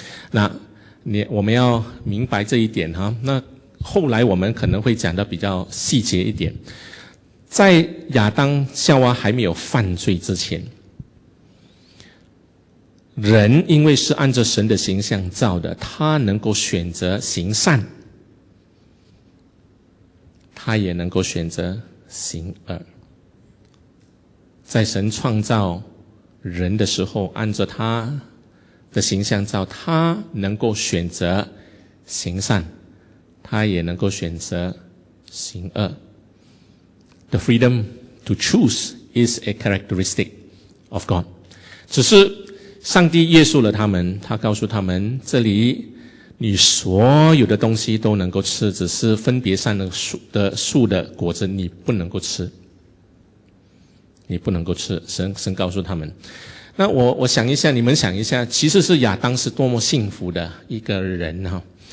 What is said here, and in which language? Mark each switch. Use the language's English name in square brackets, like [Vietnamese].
[Chinese] 那我们要明白这一点哈。那后来我们可能会讲到比较细节一点，在亚当夏娃还没有犯罪之前，人因为是按照神的形象造的，他能够选择行善，他也能够选择行恶。在神创造人的时候，按照他的形象造，他能够选择行善，他也能够选择行恶。 [English] The freedom to choose is a characteristic of God. [Chinese] 只是上帝约束了他们，他告诉他们，这里你所有的东西都能够吃，只是分别善恶的树的果子你不能够吃。你不能够吃，神告诉他们。那我想一下，你们想一下，其实是亚当是多么幸福的一个人啊。